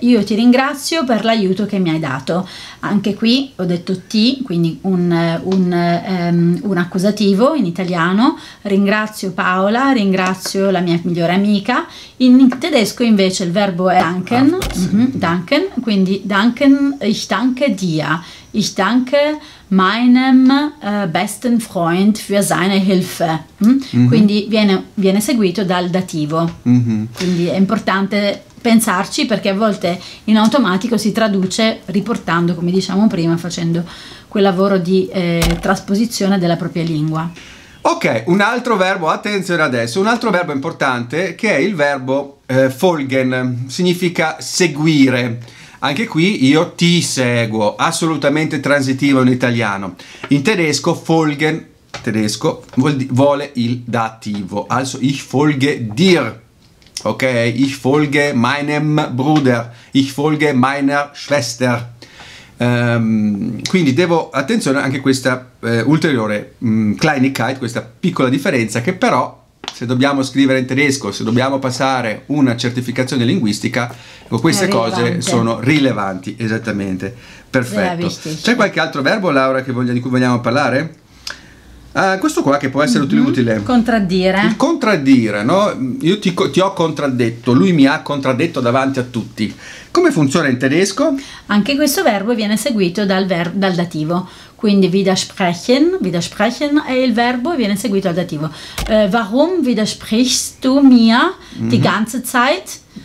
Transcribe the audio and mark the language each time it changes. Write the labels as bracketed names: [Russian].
[Italian] Io ti ringrazio per l'aiuto che mi hai dato. Anche qui ho detto ti, quindi un accusativo in italiano. Ringrazio Paola, ringrazio la mia migliore amica. In tedesco invece il verbo è danken, danken, quindi danken, [German] ich danke dir. Ich danke meinem besten Freund für seine Hilfe. [Italian] Quindi viene seguito dal dativo. Quindi è importante pensarci, perché a volte in automatico si traduce riportando, come diciamo prima, facendo quel lavoro di trasposizione della propria lingua. Ok, un altro verbo, attenzione adesso, un altro verbo importante, che è il verbo folgen, significa seguire. Anche qui io ti seguo, assolutamente transitivo in italiano. In tedesco folgen, tedesco, vuole il dativo, [German] also ich folge dir. Ok, ich folge meinem Bruder, ich folge meiner Schwester. [Italian] Quindi devo, attenzione anche questa ulteriore Kleinigkeit, questa piccola differenza, che però se dobbiamo scrivere in tedesco, se dobbiamo passare una certificazione linguistica, queste cose sono rilevanti, esattamente, perfetto. C'è qualche altro verbo, Laura, di cui vogliamo parlare? Questo qua che può essere utile. Contraddire. Il contraddire, no? Io ti ho contraddetto, lui mi ha contraddetto davanti a tutti. Come funziona in tedesco? Anche questo verbo viene seguito dal dativo. Quindi widersprechen, widersprechen è il verbo e viene seguito al dativo. [German] Warum widersprichst du mir die ganze Zeit?